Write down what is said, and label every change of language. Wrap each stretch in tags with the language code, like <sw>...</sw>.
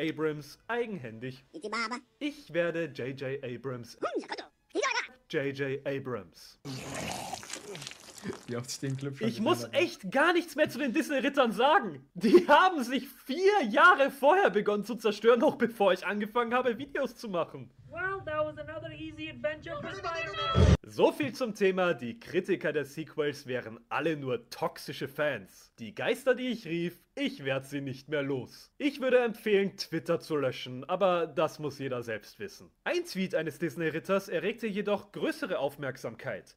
<de>Abrams eigenhändig... Ich werde J.J. Abrams... J.J. Abrams. Wie oft ich den Clip schon Ich muss hatte. Echt gar nichts mehr zu den Disney-Rittern sagen. Die haben sich 4 Jahre vorher begonnen zu zerstören, noch bevor ich angefangen habe, Videos zu machen.</de> <en>Well, that was another easy adventure for Spider-Man.</en> <de>So viel zum Thema, die Kritiker der Sequels wären alle nur toxische Fans. Die Geister, die ich rief, ich werde sie nicht mehr los. Ich würde empfehlen, Twitter zu löschen, aber das muss jeder selbst wissen. Ein Tweet eines Disney-Ritters erregte jedoch größere Aufmerksamkeit.</de>